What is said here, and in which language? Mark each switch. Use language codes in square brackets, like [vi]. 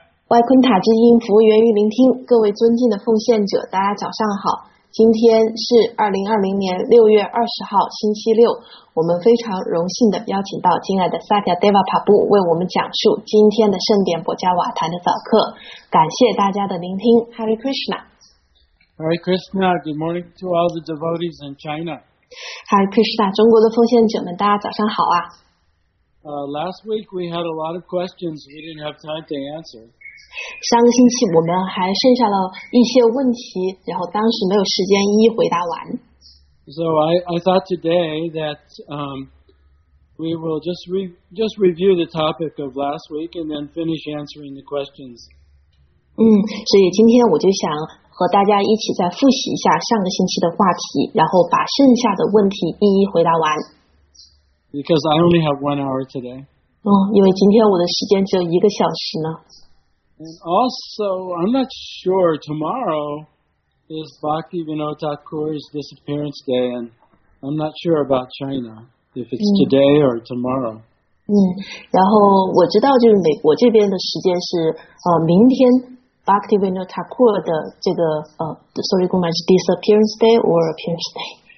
[zh] 外昆塔之音服务员于聆听，各位尊敬的奉献者，大家早上好。今天是2020年6月20号，星期六。我们非常荣幸的邀请到亲爱的萨迦 Deva 帕布为我们讲述今天的圣典博加瓦坛的早课。感谢大家的聆听，Hare Krishna。 [en] Hare Krishna, good morning to all the devotees in China. [zh] Hare Krishna, 中国的奉献者们，大家早上好啊。 [en] Last week we had a lot of questions we didn't have time to answer. [zh] 上个星期我们还剩下了一些问题，然后当时没有时间一一回答完。 [en] So I thought today that we will just review the topic of last week and then finish answering the questions. [zh] 所以今天我就想和大家一起再复习一下上个星期的话题，然后把剩下的问题一一回答完。 [en] Because I only have 1 hour today. [zh] 因为今天我的时间只有一个小时呢。 [en] And also, I'm not sure tomorrow is Bhakti Vinod Thakur's disappearance day, and I'm not sure about China, if it's today or tomorrow. [zh] 然后我知道就是美国这边的时间是明天 Bhakti Vinod Thakur 的这个是 [en] disappearance day or appearance day?